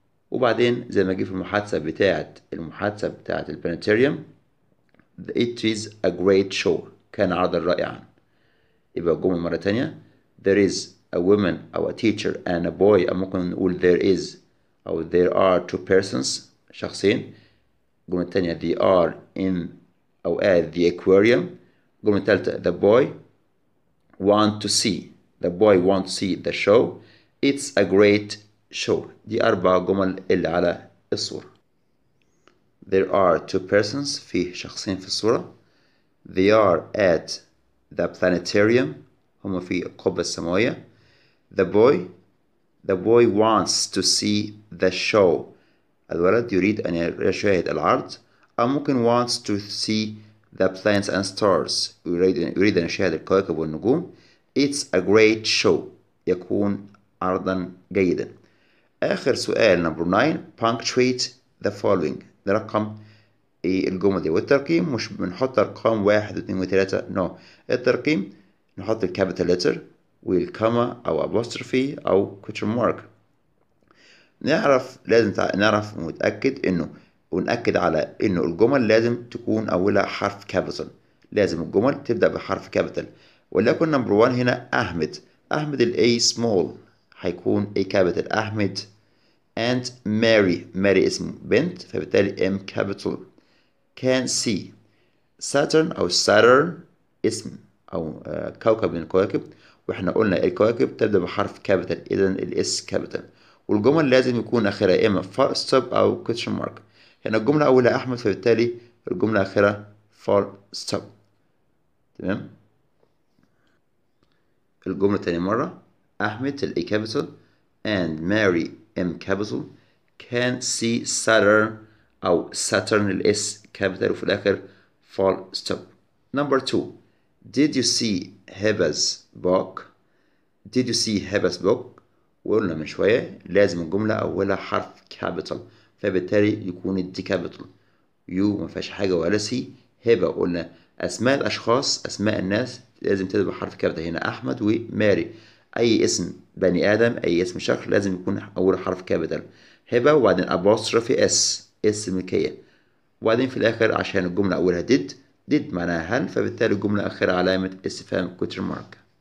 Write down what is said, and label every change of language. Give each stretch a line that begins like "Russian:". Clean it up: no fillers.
Arabic: وبعدين زي ما جه في المحادثة بتاعت البلانتيريوم،
English: it is a great show،
Arabic: كان عرضا رائعا. يبقى الجمل مرة تانية،
English: there is a woman أو a teacher and a boy،
Arabic: أو ممكن نقول
English: there is أو there are two persons، شخصين.
Arabic: الجملة التانية،
English: they are in أو at the aquarium.
Arabic: الجملة التالتة،
English: the boy want to see the show. It's a great show.
Arabic: دي أربع جمل اللي على الصورة.
English: There are two persons،
Arabic: في شخصين في الصورة.
English: They are at the planetarium،
Arabic: هم في القبة السماوية.
English: The boy wants to see the show،
Arabic: الولد يريد أن يشاهد العرض. أو ممكن
English: wants to see the planets and stars،
Arabic: يريد أن يشاهد الكواكب والنجوم.
English: It's a great show،
Arabic: يكون عرضا جيدا. آخر سؤال number 9،
English: punctuate the following،
Arabic: رقم الجملة دي. والترقيم مش بنحط أرقام 1 و2 و3، no. الترقيم نحط الكابيتال لتر والكاما أو أبوستروفي أو كوتر مارك. نعرف، لازم نعرف ونتأكد إنه ونأكد على إن الجمل لازم تكون أولها حرف كابيتال، لازم الجمل تبدأ بحرف كابيتال. وليكن نمبر 1 هنا أحمد، أحمد الـ A small هيكون A capital أحمد، and Mary، ماري اسم بنت فبالتالي M capital.
English: can see Saturn
Arabic: أو Saturn اسم أو كوكب من الكواكب، وإحنا قلنا الكواكب تبدأ بحرف كابيتال إذا الـ S capital، والجمل لازم يكون آخرها إما full stop أو question mark. هنا الجملة أولها أحمد فبالتالي الجملة آخرها full stop. تمام، الجملة تاني مرة، أحمد الـ A capital and Mary M capital can see Saturn أو Saturn الـ S capital وفي الآخر full stop.
English: number 2، did you see Heba's book؟ did you see Heba's book؟
Arabic: وقلنا من شوية لازم الجملة أولها حرف
English: capital
Arabic: فبالتالي يكون الـ
English: D capital،
Arabic: يو ما فيهاش حاجة ولا سي، هبة قلنا أسماء الأشخاص أسماء الناس لازم تبدأ بحرف كابيتال، هنا أحمد وماري، أي اسم بني آدم أي اسم شخص لازم يكون أول حرف كابيتال، هبة وبعدين أبوستروفي إس، إس ملكية، وبعدين في الآخر عشان الجملة أولها ديد، ديد معناها هل، فبالتالي الجملة آخرها علامة استفهام كوتر مارك.